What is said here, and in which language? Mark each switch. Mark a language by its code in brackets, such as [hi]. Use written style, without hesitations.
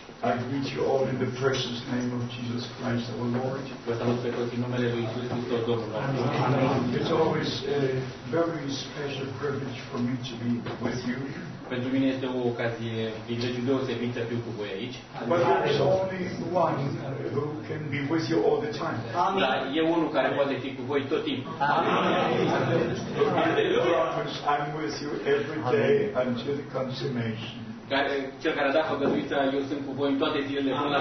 [en] I greet you all in the precious name of Jesus Christ, our Lord. It's always a very special privilege for me to be with you. [ro] Pentru mine este o ocazie privilegiu deosebit să fiu cu voi aici. [en] But there is only one who can be with you all the time. [ro] Da, e unul care poate fi cu voi tot timpul. [en] I'm with you every day until the consummation. [ro] Cel care a dat făgăduița, eu sunt cu voi în toate zilele până la